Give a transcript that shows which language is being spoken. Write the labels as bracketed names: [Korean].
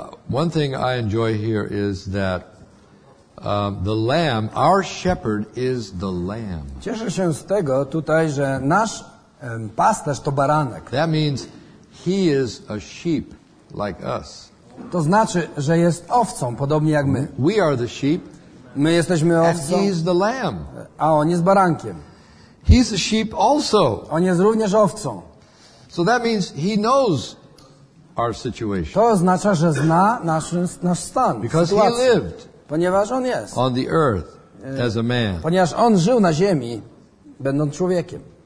[English] One thing I enjoy here is that the Lamb, our shepherd is the Lamb. [Polish] Cieszę się z tego tutaj, że nasz pasterz to baranek. [English] That means he is a sheep like us. [Polish] To znaczy, że jest owcą, podobnie jak my. [English] We are the sheep. [Polish] My jesteśmy owcą. [English] And he is the Lamb. [Polish] A on jest barankiem. [English] He's a sheep also. [Polish] On jest również owcą. [English] So that means he knows our situation. [Polish] To oznacza, że zna nasz stan. [English] Because [Polish] sytuację. [English] He lived. [Polish] Ponieważ on jest. [English] On the earth as a man. [Polish] Ponieważ on żył na ziemi, będąc człowiekiem.